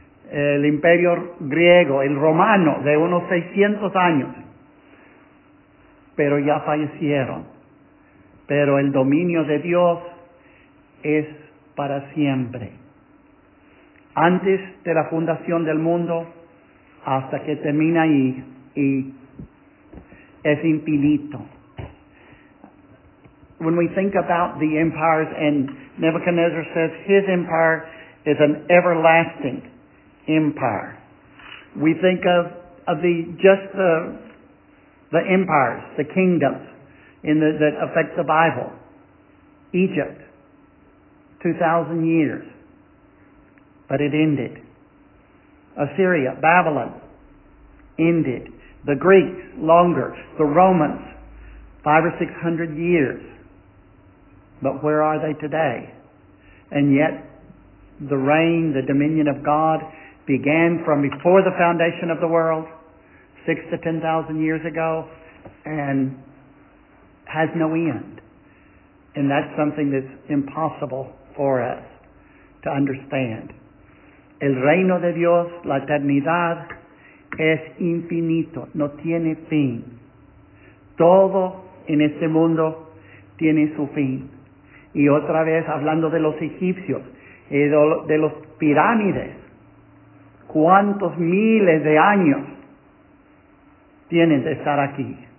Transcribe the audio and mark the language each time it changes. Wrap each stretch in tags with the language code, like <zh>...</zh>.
<es>El imperio griego, el romano, de unos 600 años, pero ya fallecieron. Pero el dominio de Dios es para siempre. Antes de la fundación del mundo, hasta que termina ahí, y es infinito.</es> <en>When we think about the empires, and Nebuchadnezzar says his empire is an everlasting empire. We think of the empires, the kingdoms, that affect the Bible. Egypt, 2,000 years, but it ended. Assyria, Babylon, ended. The Greeks, longer. The Romans, 500 or 600 years. But where are they today? And yet, the reign, the dominion of God began from before the foundation of the world, 6,000 to 10,000 years ago, and has no end. And that's something that's impossible for us to understand.</en> <es>El reino de Dios, la eternidad, es infinito, no tiene fin. Todo en este mundo tiene su fin. Y otra vez, hablando de los egipcios, de los pirámides, ¿cuántos miles de años tienen de estar aquí?</es>